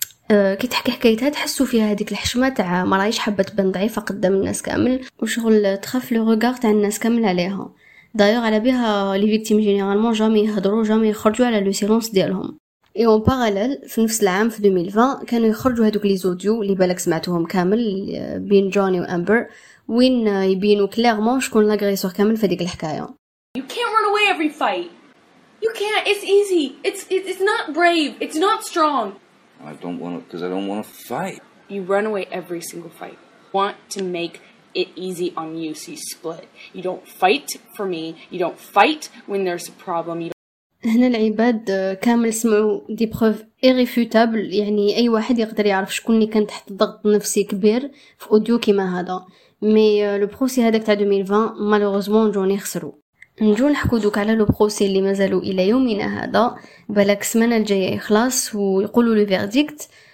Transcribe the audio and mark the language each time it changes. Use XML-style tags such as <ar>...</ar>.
<ar>كي تحكي حكايتها تحسوا فيها هذيك الحشمه تاع ما رايش حابه تبان ضعيفه قدام الناس كامل وشغل تخاف</ar> <fr>لو ريغارد</fr> <ar>تاع الناس كامل عليها دايوغ على بها</ar> <fr>لي فيكتيم جينيرالمون جامي</fr> <ar>يهضروا جامي يخرجوا على</ar> <fr>لو سيلونس</fr> <ar>ديالهم اي</ar> <fr>اون باراليل</fr> <ar>في نفس العام في 2020 كانوا يخرجوا هذوك</ar> <fr>لي زوديو</fr> <ar>اللي بالك سمعتوهم كامل بين جوني وامبر وين يبينوا كليرمون شكون لاغريسور كامل في هذيك الحكايه</ar> <en>You can run away every fight you can it's easy it's not brave it's not strong I don't want to, because I don't want to fight. You run away every single fight. Want to make it easy on you, so you split. You don't fight for me. You don't fight when there's a problem.</en> <ar>هنا العباد كامل سمعوا</ar> <fr>دي بروف ايريفوتابل</fr> <ar>يعني اي واحد يقدر يعرف شكون اللي كان تحت ضغط نفسي كبير في اوديو كيما هذا</ar> <fr>مي لو بروسي</fr> <ar>هذاك تاع 2020 مالوروزمون جوني خسروا نجو نحكو دوك على</ar> <fr>لو بروسي</fr> <ar>اللي مازالو الى يومنا هذا بالك السمانه الجايه يخلص ويقولوا</ar> <fr>لي فيرديكت</fr>